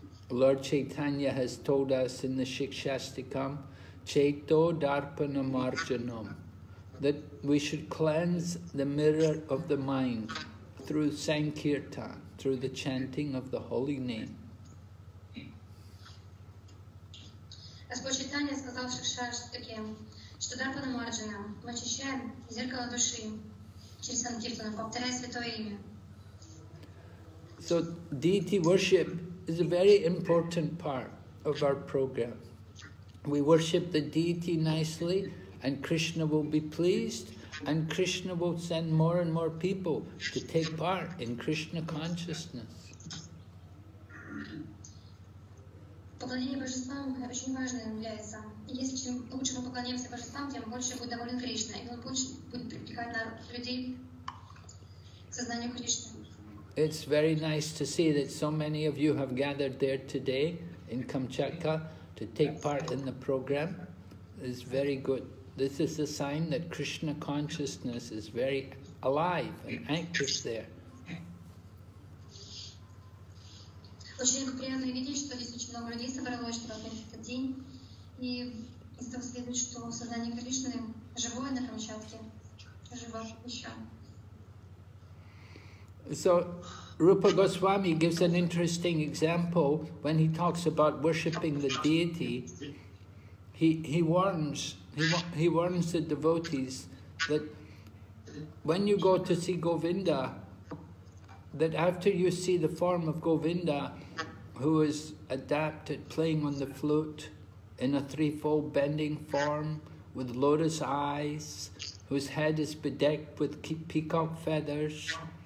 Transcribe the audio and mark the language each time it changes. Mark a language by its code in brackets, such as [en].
[en] Lord Chaitanya has told us in the Shikshastikam, [sa] Chaito Darpana Marjanam, [en] that we should cleanse the mirror of the mind through Sankirtan, through the chanting of the holy name. [ru] Господь Читания сказал Шикшаштаке, что Дарпана Марджана, мы очищаем зеркало души через Санкиртану, повторяя святое имя. [en] So deity worship is a very important part of our program. We worship the deity nicely and Krishna will be pleased and Krishna will send more and more people to take part in Krishna consciousness. [ru] Поклонение божествам очень важным является. И если чем лучше мы поклоняемся божествам, тем больше будет доволен Кришна, и он будет привлекать людей к сознанию Кришны. [en] It's very nice to see that so many of you have gathered there today in Kamchatka to take part in the program. It's very good. This is a sign that Krishna consciousness is very alive and active there. [ru] Очень приятно видеть, что здесь очень много людей собралось, что в этот день. И из того следует, что сознание Кришны живое на Камчатке, живо еще. [en] So, Rupa Goswami gives an interesting example when he talks about worshipping the deity. He warns the devotees that when you go to see Govinda, that after you see the form of Govinda, who is adept at playing on the flute in a threefold bending form with lotus eyes, whose head is bedecked with peacock feathers.